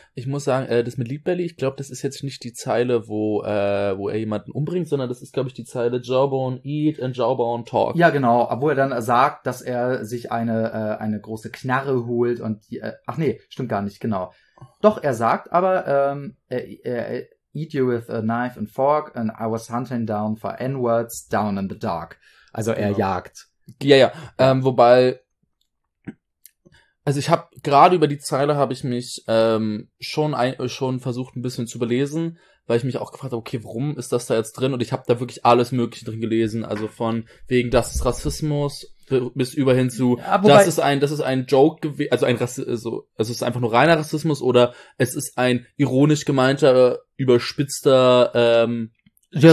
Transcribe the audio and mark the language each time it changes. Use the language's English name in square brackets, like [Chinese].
[German] Ich muss sagen, das mit Leadbelly, ich glaube, das ist jetzt nicht die Zeile, wo er jemanden umbringt, sondern das ist, glaube ich, die Zeile [English] Jawbone Eat and Jawbone Talk. [German] Ja, genau, obwohl er dann sagt, dass er sich eine große Knarre holt und die, ach nee, stimmt gar nicht, genau. Doch, er sagt aber, [English] Eat You With a Knife and Fork and I Was Hunting Down for N-Words Down in the Dark. [German] Also er jagt. Ja, ja. Wobei, also ich habe gerade über die Zeile habe ich mich schon versucht ein bisschen zu belesen, weil ich mich auch gefragt habe, okay, warum ist das da jetzt drin? Und ich habe da wirklich alles Mögliche drin gelesen. Also von wegen, das ist Rassismus bis über hin zu, ja, wobei, das ist ein Joke gewesen, also ein es ist einfach nur reiner Rassismus oder es ist ein ironisch gemeinter, überspitzter Joke,